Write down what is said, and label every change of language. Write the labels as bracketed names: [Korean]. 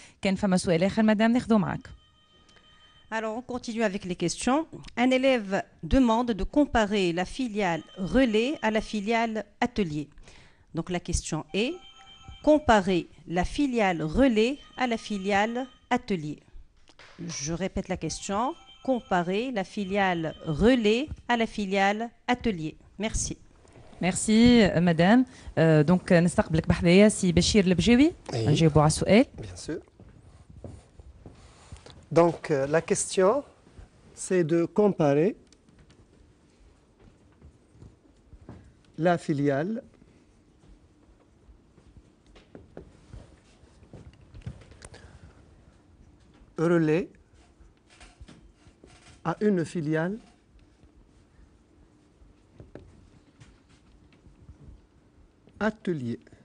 [Arabic] كان فما سؤال آخر مدام ناخذو معاك. [French] Alors on continue avec les questions. Un élève demande de comparer la filiale relais à la filiale atelier. Donc la question est comparer la filiale relais à la filiale atelier. Je répète la question, comparer la filiale relais à la filiale atelier. Merci. Merci madame. [Arabic] Donc نستقبلك بحذايا سي بشير البجاوي. نجيبو على السؤال. [French] Bien sûr. Donc, la question, c'est de comparer la filiale relais à une filiale atelier.